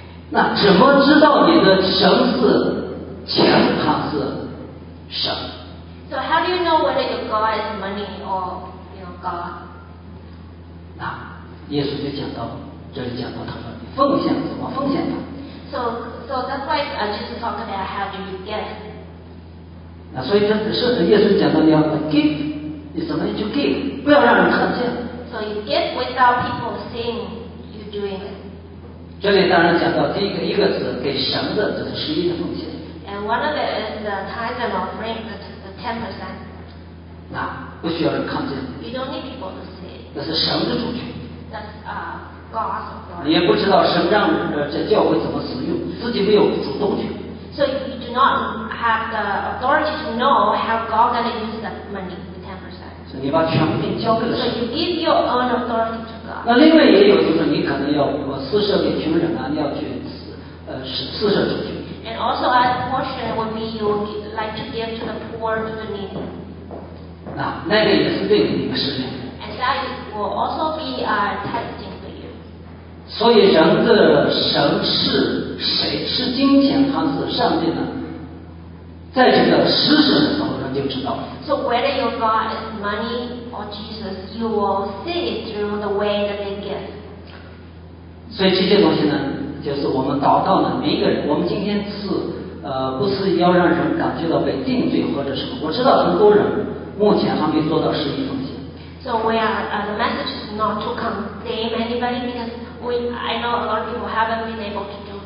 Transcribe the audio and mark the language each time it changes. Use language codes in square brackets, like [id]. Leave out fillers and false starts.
[zh] 那怎么知道你的神是钱还是神？ [en] So how do you know whether your God is money or your God? [zh] 那耶稣就讲到，这里讲到他们奉献怎么奉献的。 [en] So that's why Jesus talked about how do you give. [zh] 那所以这是耶稣讲的，你要 give， 你什么就 give， 不要让人看见。 [en] So you give without people seeing you doing it。 [zh] 这里当然讲到第一个，一个是给神的，这是十一的奉献。 [en] And one of it is the tithe and offering, the 10%。 [zh] 那不需要人看见。 [en] You don't need people to see。 [zh] 那是神的主权。 [en] That's God's authority。 [zh] 你也不知道神让这教会怎么使用，自己没有主动权。 [en] So you do not have the authority to know how God is going to use that money, the 10%. So you [zh] 把权柄交给了神。 [en] So you give your own authority to God. [zh] 那另外也有就是你可能要施舍给穷人啊，你要去施舍出去。 [en] And also a portion would be you would like to give to the poor, to the needy. [zh] 那那个也是对你一个试炼。 [en] And that will also be a testing for you. [zh] 所以人的神是。谁是金钱还是上帝呢？在这个施舍的时候，人就知道了。 [en] So whether your God is money or Jesus, you will see it through the way that they give. [zh] 所以这些东西呢，就是我们祷告的每一个人。我们今天是不是要让人感觉到被定罪或者什么？我知道很多人目前还没做到十一奉献。 [en] So we are the message is not to condemn anybody because I know a lot of people haven't been able to.